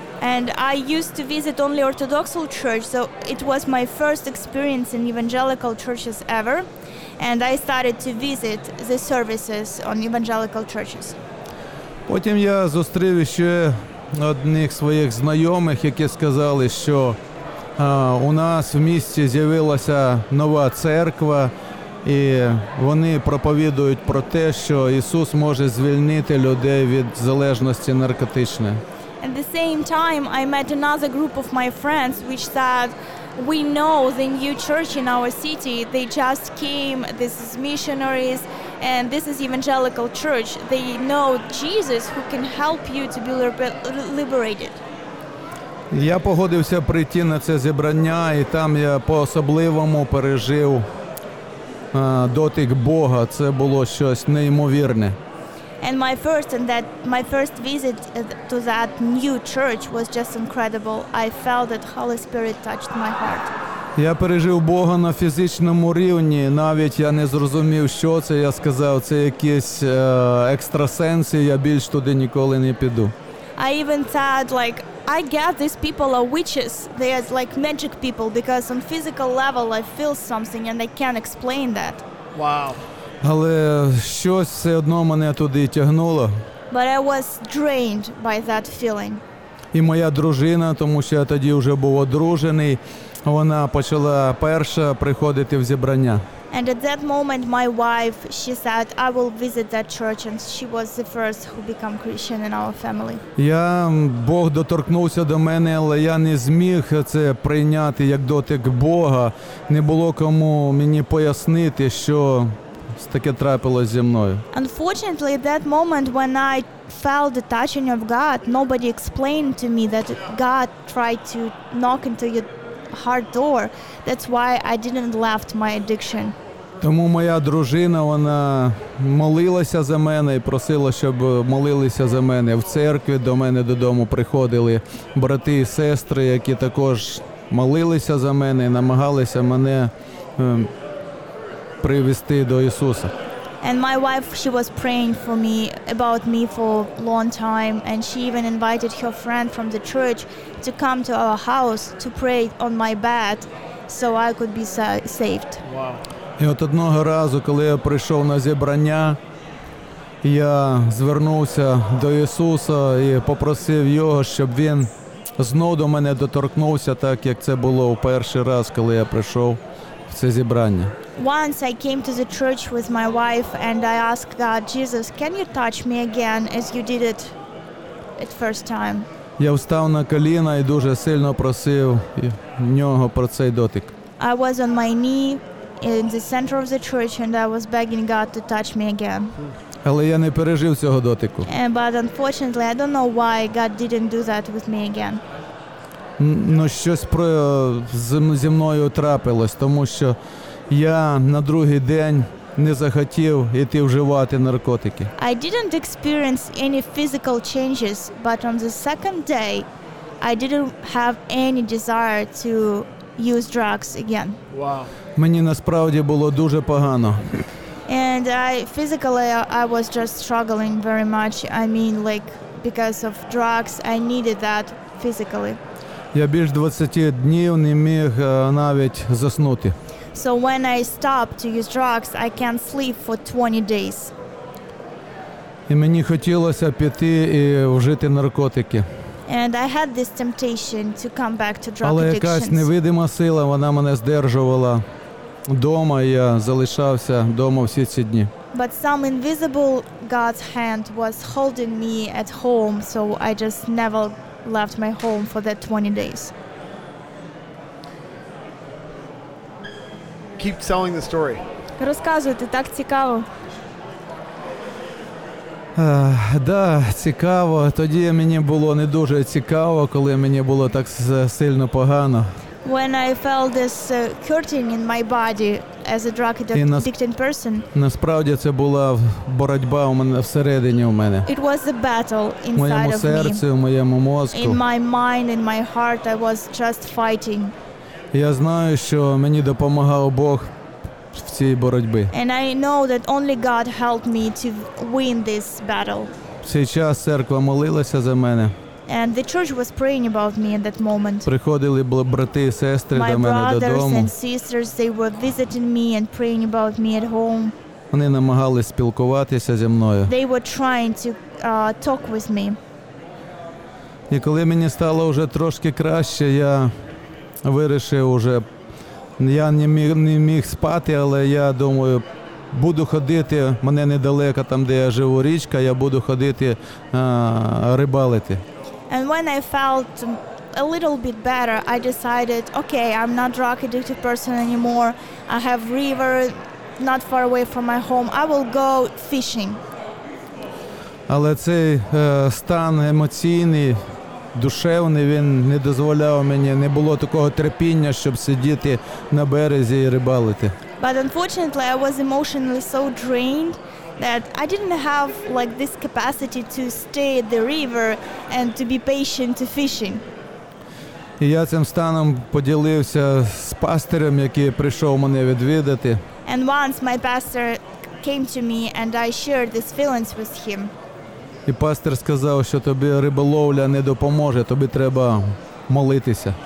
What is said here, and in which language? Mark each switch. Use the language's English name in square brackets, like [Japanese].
[English] And I used to visit only Orthodox church, so it was my first experience in evangelical churches ever, and I started to visit the services on evangelical churches. [Ukrainian] Потім я зустрів ще одних своїх знайомих, які сказали, що у нас в місті з'явилася нова церква, і вони проповідують про те, що Ісус може звільнити людей від залежності наркотичної. [English] At the same time, I met another group of my friends, which said, we know the new church in our city, they just came, this is missionaries, and this is evangelical church. They know Jesus who can help you to be liberated. [Ukrainian] Я погодився прийти на це зібрання, і там я по-особливому пережив дотик Бога. Це було щось неймовірне. [English] And my first visit to that new church was just incredible. I felt that Holy Spirit touched my heart. [Ukrainian] Я пережив Бога на фізичному рівні. Навіть я не зрозумів, що це. Я сказав, це якісь екстрасенси, я більш туди ніколи не піду. [English] I even thought, like, I guess these people are witches. They are like magic people because on physical level I feel something and I can't explain that. Wow. [Ukrainian] Але щось все одно мене туди тягнуло. [English] But I was drained by that feeling. [Ukrainian] І моя дружина, тому що я тоді вже був одружений, вона почала перша приходити в зібрання. [English] And at that moment my wife, she said, I will visit that church, and she was the first who became Christian in our family. [Ukrainian] Я Бог доторкнувся до мене, але я не зміг це прийняти як дотик Бога. Не було кому мені пояснити, що таке трапилось зі мною. [English] Unfortunately, that moment when I felt the touching of God, nobody explained to me that God tried to knock into your heart door. That's why I didn't left my addiction. [Ukrainian] Тому моя дружина, вона молилася за мене і просила, щоб молилися за мене в церкві. До мене додому приходили брати і сестри, які також молилися за мене і намагалися мене привести до Ісуса. [English] And my wife, she was praying for me, about me for a long time, and she even invited her friend from the church to come to our house to pray on my bed so I could be saved. Wow. [Ukrainian] І от одного разу, коли я прийшов на зібрання, я звернувся до Ісуса і попросив Його, щоб Він знову до мене доторкнувся, так як це було в перший раз, коли я прийшов в це зібрання. [English] Once I came to the church with my wife and I asked God, Jesus, can you touch me again as you did it at first time? [Ukrainian] Я встав на коліна і дуже сильно просив Нього про цей дотик. [English] I was on my knee in the center of the church and I was begging God to touch me again. [Ukrainian] Але я не пережив цього дотику. [English] But unfortunately, I don't know why God didn't do that with me again. [Ukrainian] Ну, щось про зі мною трапилось, тому що я на другий день не захотів йти вживати наркотики. [English] I didn't experience any physical changes, but on the second day I didn't have any desire to use drugs again. Wow. [Ukrainian] Мені насправді було дуже погано. [English] And I physically I was just struggling very much. I mean, like, because of drugs, I needed that physically. [Ukrainian] Я більш 20 днів не міг навіть заснути. [English] So when I stopped to use drugs, I can't sleep for 20 days. [Ukrainian] І мені хотілося піти і вжити наркотики. [English] And I had this temptation to come back to drug addictions. [Ukrainian] Але якась невидима сила, вона мене здержувала вдома, і я залишався вдома всі ці дні. [English] But some invisible God's hand was holding me at home, so I just never left my home for that 20 days. Keep telling the story. [Ukrainian] Розказуйте, так цікаво. Да, цікаво. Тоді мені було не дуже цікаво, коли мені було так сильно погано. [English] When I felt this hurting in my body as a drug addicted person. [Ukrainian] Насправді це була боротьба у мене всередині у мене. [English] It was a battle inside of me. [Ukrainian] В моєму серці, в моєму мозку. [English] In my mind, in my heart, I was just fighting. [Ukrainian] Я знаю, що мені допомагав Бог в цій боротьбі. [English] And I know that only God helped me to win this battle. [Ukrainian] В цей час церква молилася за мене. [English] And the church was praying about me in that moment. [Ukrainian] Приходили брати і сестри до мене додому. [English] My brothers and sisters, they were visiting me and praying about me at home. [Ukrainian] Вони намагались спілкуватися зі мною. [English] They were trying to talk with me. [Ukrainian] І коли мені стало вже трошки краще, я вирішив уже, я не міг спати, але я думаю, буду ходити, мене недалеко там, де я живу, річка, я буду ходити рибалити. [English] And when I felt a little bit better, I decided, okay, I'm not a drug addicted person anymore. I have river not far away from my home. I will go fishing. [Ukrainian] Але цей стан емоційний, душевний, він не дозволяв мені, не було такого терпіння, щоб сидіти на березі і рибалити. [English] But unfortunately, I was emotionally so drained that I didn't have like this capacity to stay at the river and to be patient to fishing. [Ukrainian] І я цим станом поділився з пастором, який прийшов мене відвідати. [English] And once my pastor came to me and I shared these feelings with him. [Ukrainian] І пастор сказав, що тобі риболовля не допоможе, тобі треба молитися.